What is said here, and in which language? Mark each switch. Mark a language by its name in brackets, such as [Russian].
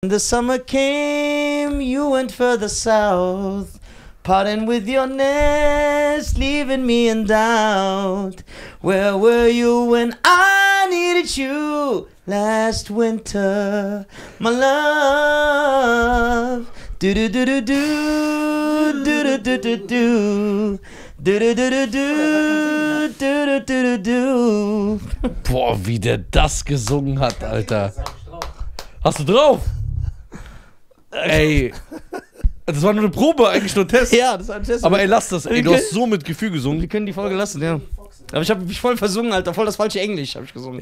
[English] When the summer came, you went further south, parting with your nest, leaving me in doubt. Where were you when I needed you last winter, my love? Do do do do do do do do do do do do do do do do do do do do. [German] Boah, wie der das gesungen hat, Alter. Hast du drauf? Ey, das war nur eine Probe, eigentlich nur ein Test. Ja, das war ein Test. Aber ey, lass das, ey, du hast so mit Gefühl gesungen. Wir können die Folge lassen, ja. Aber ich hab mich voll versungen, Alter, voll das falsche Englisch hab ich gesungen.